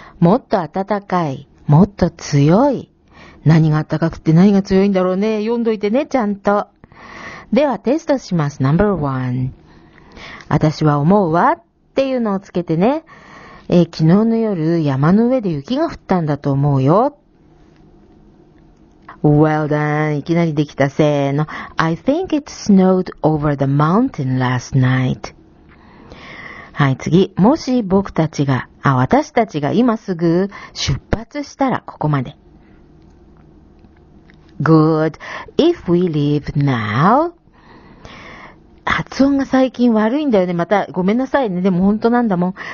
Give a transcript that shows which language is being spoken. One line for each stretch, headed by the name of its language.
Japanese: もっと暖かい。もっと強い。何が暖かくて何が強いんだろうね。読んどいてね、ちゃんと。ではテストします。
English: Number one。
Japanese: 私は思うわっていうのをつけてね。昨日の夜、山の上で雪が降ったんだと思うよ。
English: Well done.
Japanese: いきなりできた。せーの。
English: I think it snowed over the mountain last night.
Japanese: はい、次。もし僕たちが、私たちが今すぐ出発したら、ここまで。
English: Good. If we leave now.
Japanese: 発音が最近悪いんだよね。また、ごめんなさいね。でも本当なんだもん。